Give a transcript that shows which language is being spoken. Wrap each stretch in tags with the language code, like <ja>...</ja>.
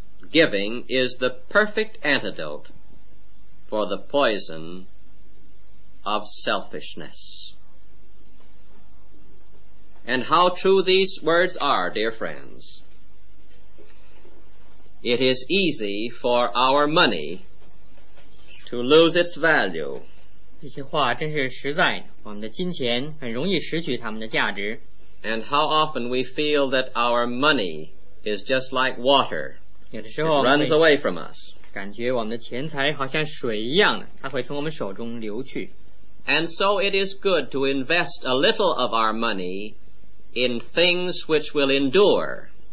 <en>Giving is the perfect antidote for the poison of selfishness. And how true these words are, dear friends. It is easy for our money to lose its value.</en> <zh>这些话真是实在的, 我们的金钱很容易失去它们的价值。</zh> <en>And how often we feel that our money is just like water.</en> <zh>有的时候,</zh> <en>it runs away from us.</en> <zh>感觉我们的钱财好像水一样的, 它会从我们手中流去。</zh> <en>And so it is good to invest a little of our money in things which will endure.</en>